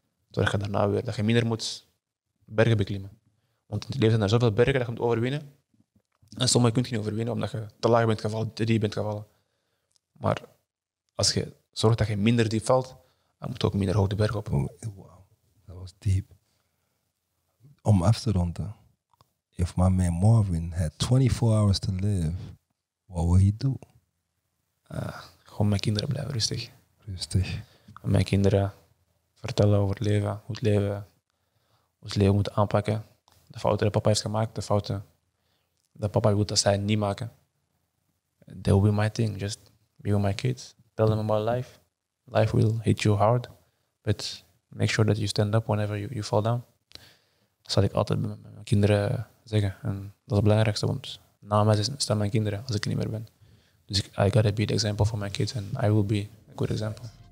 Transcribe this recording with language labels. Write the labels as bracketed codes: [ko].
[nl] Zodat je daarna weer, dat je minder moet bergen beklimmen. Want in het leven zijn er zoveel bergen dat je moet overwinnen. En sommige kun je niet overwinnen omdat je te laag bent gevallen, te diep bent gevallen. Maar als je zorgt dat je minder diep valt, dan moet je ook minder hoog de berg op. Oh, wow. Dat was diep. Om af te ronden. [en] If my man Marvin had 24 hours to live, what would he do? [nl] Gewoon mijn kinderen blijven rustig. Rustig. En mijn kinderen vertellen over het leven, hoe het leven moet aanpakken. De fouten die papa heeft gemaakt, de fouten dat papa wil dat zij niet maken. [en] That will be my thing, just be with my kids. Tell them about life. Life will hit you hard, but make sure that you stand up whenever you fall down. [nl] Dat zal ik altijd met mijn kinderen zeggen. En dat is het belangrijkste, want na mij staan mijn kinderen als ik er niet meer ben. [en] Dus I gotta be the example for my kids and I will be a good example.